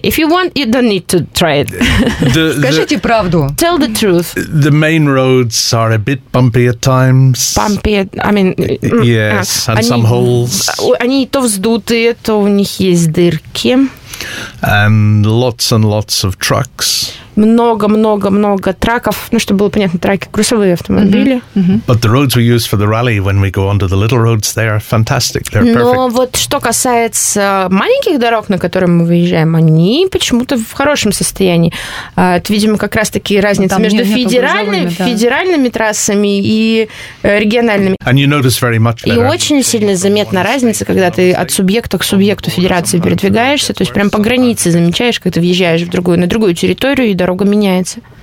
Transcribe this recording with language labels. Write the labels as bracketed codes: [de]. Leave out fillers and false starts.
[en] If you want, you don't need to try it. [ru] Скажите правду. [en] Tell the truth. The main roads are a bit bumpy at times. Bumpy, I mean... Yes, and some holes. [ru] Они то вздутые, то у них есть дырки. [en] And lots of trucks. [ru] Много-много-много траков. Ну, чтобы было понятно, траки, грузовые автомобили. Mm-hmm. Mm-hmm. [en] But the roads we use for the rally, when we go onto the little roads, they are fantastic. They're [ru] Но [en] perfect. [ru] Но вот что касается маленьких дорог, на которые мы выезжаем, они почему-то в хорошем состоянии. Это, видимо, как раз-таки разница между федеральными трассами и региональными. [en] And you notice very much [ru] better. И очень сильно заметна разница, когда ты от субъекта к субъекту федерации передвигаешься, то есть прям по границе замечаешь, когда въезжаешь на другую территорию, и дорога меняется.